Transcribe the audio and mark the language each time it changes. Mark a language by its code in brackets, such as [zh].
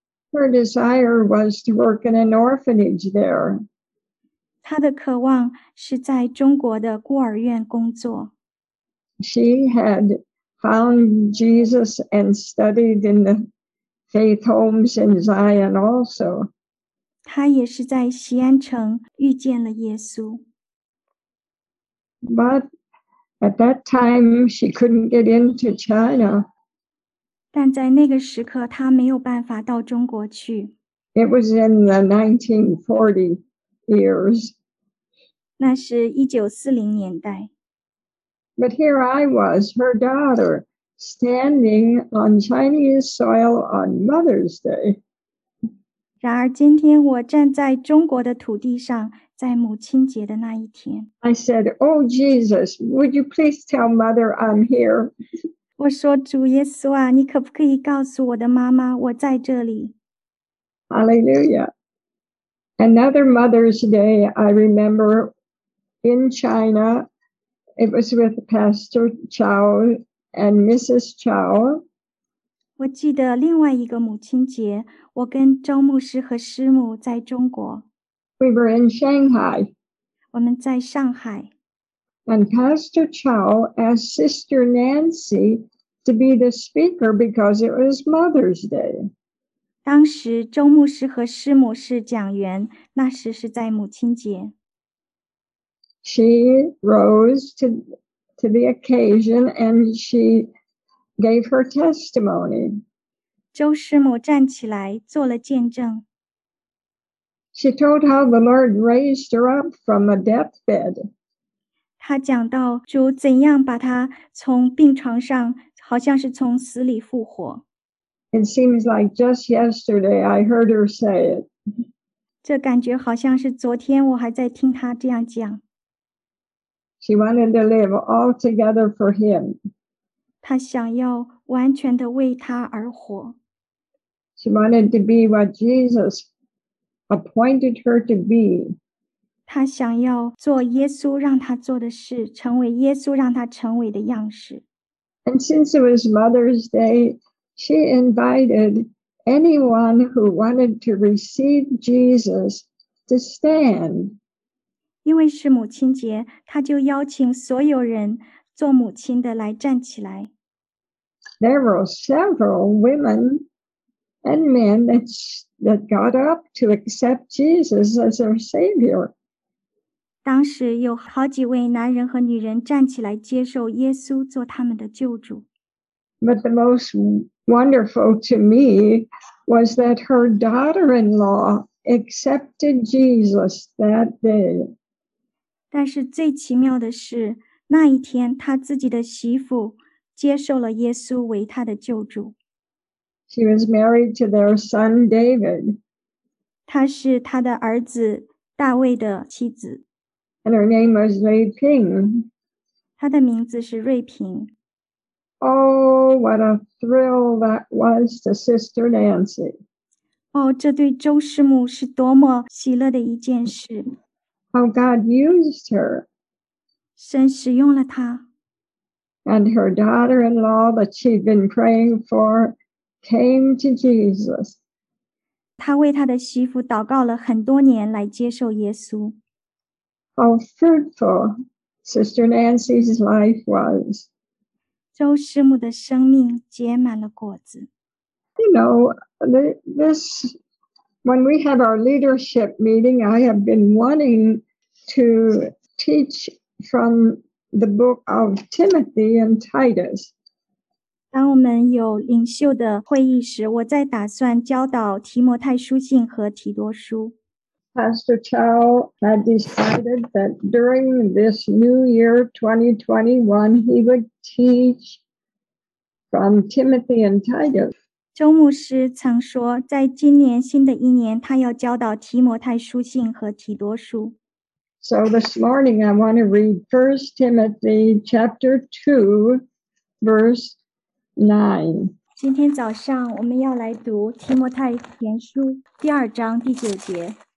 [en] Her desire was to work in an orphanage there. [zh] 她的渴望是在中国的孤儿院工作。 [en] She had found Jesus and studied in the faith homes in Zion also. [zh] 她也是在锡安城遇见了耶稣。 [en] But at that time, she couldn't get into China. [zh] 但在那个时刻，她没有办法到中国去。 [en] It was in the 1940 years. [zh] 那是1940年代。 [en] But here I was, her daughter, standing on Chinese soil on Mother's Day. [zh] 然而今天我站在中国的土地上，在母亲节的那一天。 [en] I said, Oh Jesus, would you please tell Mother I'm here? [zh] 我说主耶稣啊，你可不可以告诉我的妈妈我在这里？ [en] Hallelujah. Another Mother's Day I remember in China. It was with Pastor Chow and Mrs. Chow. [zh] 我记得另外一个母亲节，我跟周牧师和师母在中国。 [en] We were in Shanghai. [zh] 我们在上海。 [en] And Pastor Chow asked Sister Nancy to be the speaker because it was Mother's Day. [zh] 当时周牧师和师母是讲员，那时是在母亲节。 [en] She rose to the occasion and she gave her testimony. [zh] 周师母站起来做了见证。 [en] She told how the Lord raised her up from a deathbed. [zh] 她讲到主怎样把她从病床上，好像是从死里复活。 [en] It seems like just yesterday I heard her say it. [zh] 这感觉好像是昨天我还在听她这样讲。 [en] She wanted to live altogether for him. [zh] 她想要完全的为他而活。 [en] She wanted to be what Jesus appointed her to be. [zh] 她想要做耶稣让她做的事，成为耶稣让她成为的样式。 [en] And since it was Mother's Day, She invited anyone who wanted to receive Jesus to stand. [zh] 因为是母亲节，她就邀请所有人做母亲的来站起来。 [en] There were several women and men that got up to accept Jesus as their Savior. [zh] 当时有好几位男人和女人站起来接受耶稣做他们的救主。 [en] But the most wonderful to me was that her daughter-in-law accepted Jesus that day. [zh] 但是最奇妙的是，那一天她自己的媳妇接受了耶稣为她的救主。 [en] She was married to their son David. [zh] 她是她的儿子大卫的妻子。 [en] And her name was Ray Ping. [zh] 她的名字是瑞平。 [en] Oh, what a thrill that was to Sister Nancy. [zh] Oh, 这对周师母是多么喜乐的一件事。 [en] How God used her. [zh] 神使用了她。 [en] And her daughter-in-law that she'd been praying for came to Jesus. [zh] 她为她的媳妇祷告了很多年来接受耶稣。 [en] How fruitful Sister Nancy's life was. [zh] 周师母的生命结满了果子。 [en] You know, this, when we have our leadership meeting, I have been wanting to teach from the book of Timothy and Titus. [zh] 当我们有领袖的会议时，我在打算教导提摩太书信和提多书。 [en] Pastor Chow had decided that during this new year 2021, he would teach from Timothy and Titus. [zh] 周牧师曾说，在今年新的一年，他要教导提摩太书信和提多书。 [en] So this morning, I want to read 1 Timothy chapter 2, verse 9. [zh] 今天早上，我们要来读提摩太前书第二章第九节。